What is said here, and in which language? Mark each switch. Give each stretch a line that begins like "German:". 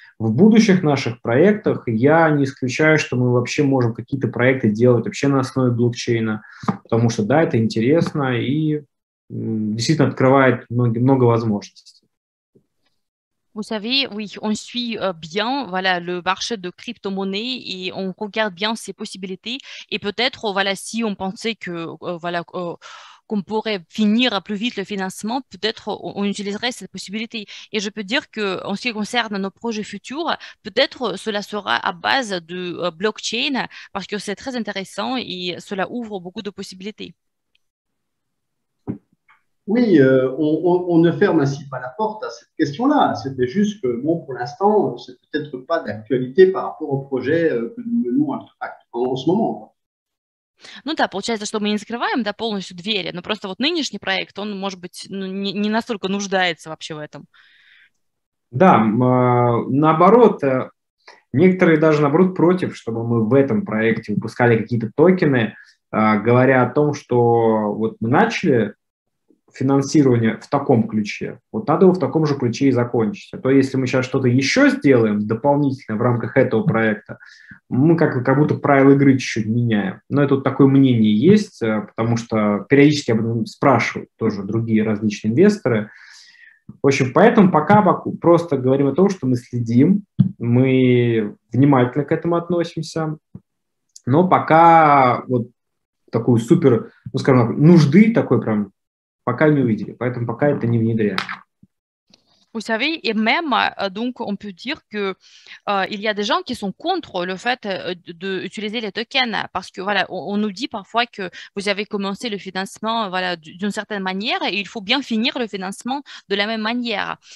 Russian: В будущих наших проектах я не исключаю, что мы вообще можем какие-то проекты делать вообще на основе блокчейна, потому что, да, это интересно и действительно открывает много возможностей.
French: Vous savez, oui, on suit bien voilà, le marché de crypto-monnaie et on regarde bien ses possibilités. Et peut-être, voilà, si on pensait que, voilà, qu'on pourrait finir plus vite le financement, peut-être on utiliserait cette possibilité. Et je peux dire qu'en ce qui concerne nos projets futurs, peut-être cela sera à base de blockchain parce que c'est très intéressant et cela ouvre beaucoup de possibilités. Oui, on ne ferme ainsi pas la porte à cette question-là. C'était juste que, bon, pour l'instant, c'est peut-être pas d'actualité par rapport au projet que nous menons en ce moment.
Russian: Ну да, получается, что мы не закрываем да, полностью двери, но просто вот нынешний проект, он, может быть, не настолько нуждается вообще в этом. Да, наоборот, некоторые даже, наоборот, против, чтобы мы в этом проекте выпускали какие-то токены, говоря о том, что вот мы начали финансирование в таком ключе. Вот надо его в таком же ключе и закончить. А то если мы сейчас что-то еще сделаем дополнительно в рамках этого проекта, мы как будто правила игры чуть-чуть меняем. Но это вот такое мнение есть, потому что периодически об этом спрашивают тоже другие различные инвесторы. В общем, поэтому пока просто говорим о том, что мы следим, мы внимательно к этому относимся. Но пока вот такую супер, ну скажем так, нужды такой прям пока не увидели, поэтому пока это не внедряем.
French: Vous savez, et même, donc, on peut dire qu'il y a des gens qui sont contre le fait d'utiliser les tokens, parce que, voilà, on nous dit parfois que vous avez commencé le financement, voilà, d'une certaine manière, et il faut bien finir le financement de la même manière.